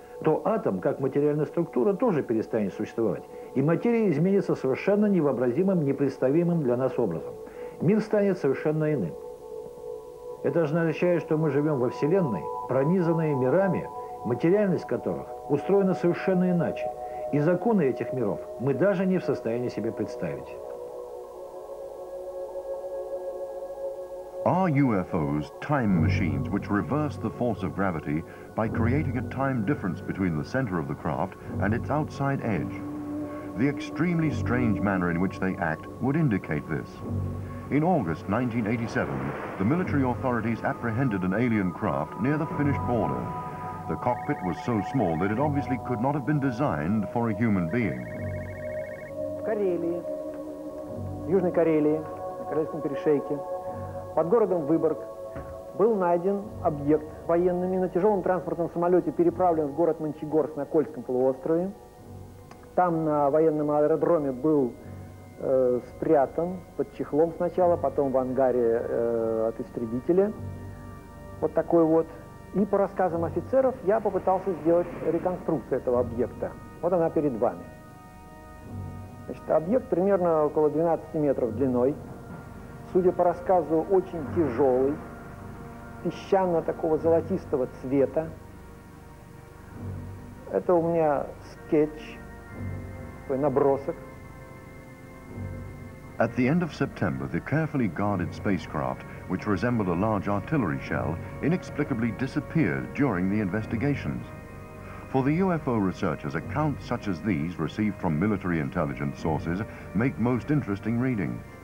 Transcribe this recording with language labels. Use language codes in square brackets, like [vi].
[ru] То атом, как материальная структура, тоже перестанет существовать. И материя изменится совершенно невообразимым, непредставимым для нас образом. Мир станет совершенно иным. Это же означает, что мы живем во Вселенной, пронизанной мирами, материальность которых устроена совершенно иначе. И законы этих миров мы даже не в состоянии себе представить. [en] Are UFOs time machines which reverse the force of gravity by creating a time difference between the center of the craft and its outside edge? The extremely strange manner in which they act would indicate this. In August 1987, the military authorities apprehended an alien craft near the Finnish border. The cockpit was so small that it obviously could not have been designed for a human being. [ru] В Карелии, в Южной Карелии, на Карельском перешейке, под городом Выборг, был найден объект военными на тяжелом транспортном самолете, переправлен в город Мончегорск на Кольском полуострове. Там на военном аэродроме был спрятан под чехлом сначала, потом в ангаре от истребителя. Вот такой вот. И по рассказам офицеров я попытался сделать реконструкцию этого объекта. Вот она перед вами. Значит, объект примерно около 12 метров длиной. Судя по рассказу, очень тяжелый, песчано такого золотистого цвета. Это у меня скетч, такой набросок. [en] At the end of September, the carefully guarded spacecraft, which resembled a large artillery shell, inexplicably disappeared during the investigations. For the UFO researchers, accounts such as these, received from military intelligence sources, make most interesting reading.